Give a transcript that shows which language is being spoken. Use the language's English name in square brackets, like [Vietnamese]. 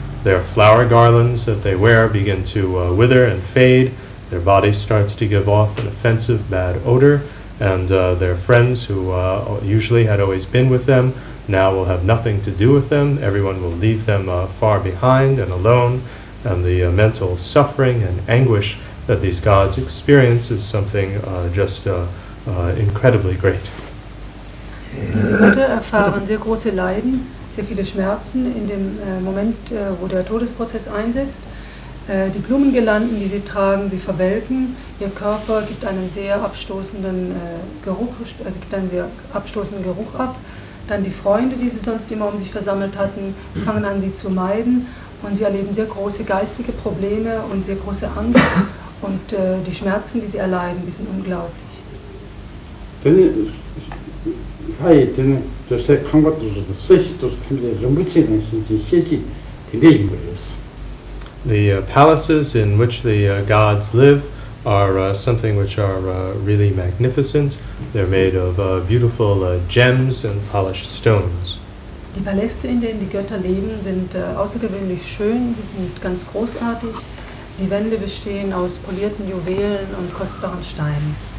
[English] Their flower garlands that they wear begin to wither and fade, their body starts to give off an offensive bad odor, and their friends who usually had always been with them now will have nothing to do with them, everyone will leave them far behind and alone, and the mental suffering and anguish that these gods experience is something just incredibly great. [German] Diese Götter erfahren sehr große Leiden, sehr viele Schmerzen in dem Moment, wo der Todesprozess einsetzt. Die Blumengirlanden, die sie tragen, sie verwelken. Ihr Körper gibt einen sehr abstoßenden Geruch, also gibt einen sehr abstoßenden Geruch ab. Dann die Freunde, die sie sonst immer um sich versammelt hatten, fangen an, sie zu meiden. Und sie erleben sehr große geistige Probleme und sehr große Angst. Und die Schmerzen, die sie erleiden, die sind unglaublich. [English] The palaces in which the gods live are something which are really magnificent. They're made of beautiful gems and polished stones. [German] Die Paläste, in denen die Götter leben, sind außergewöhnlich schön. Sie sind ganz großartig. Die Wände bestehen aus polierten Juwelen und kostbaren Steinen.